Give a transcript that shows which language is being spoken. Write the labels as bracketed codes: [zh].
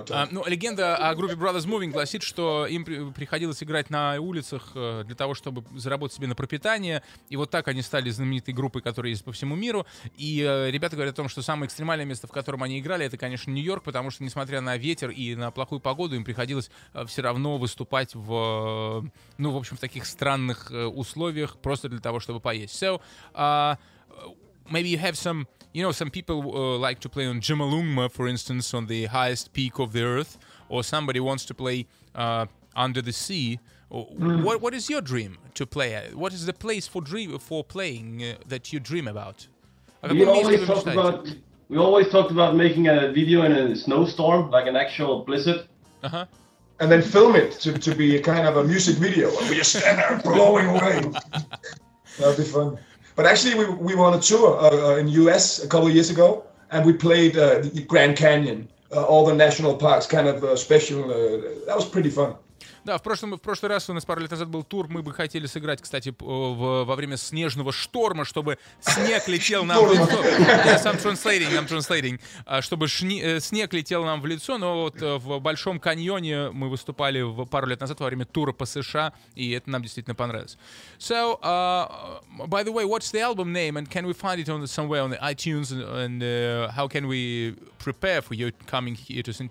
[ru] Ну, легенда о группе Brothers Moving гласит, что им приходилось играть на улицах для того, чтобы заработать себе на пропитание, и вот так они стали знаменитой группой, которая есть по всему миру, и ребята говорят о том, что самое экстремальное место, в котором они играли, это, конечно, Нью-Йорк, потому что, несмотря на ветер и на плохую погоду, им приходилось все равно выступать в, ну, в общем, в таких странных условиях, просто для того, чтобы поесть. [en] So, maybe you have some... You know, some people like to play on Jimalungma, for instance, on the highest peak of the earth, or somebody wants to play under the sea. What is your dream to play? What is the place for playing that you dream about? We always talked about making a video in a snowstorm, like an actual blizzard. Uh-huh. And then film it to be a kind of a music video. We just stand there blowing away. That'd be fun. But actually, we were on a tour in U.S. a couple of years ago, and we played the Grand Canyon, all the national parks, kind of special. That was pretty fun. [ru] Да, в прошлый раз у нас пару лет назад был тур, мы бы хотели сыграть, кстати, во время снежного шторма, чтобы снег летел нам в лицо. [en] Yes, I'm translating. [ru] Чтобы снег летел нам в лицо, но вот в Большом каньоне мы выступали пару лет назад во время тура по США, и это нам действительно понравилось. [en] So, by the way, what's the album name, and can we find it somewhere on the iTunes, and how can we prepare for you coming here to St.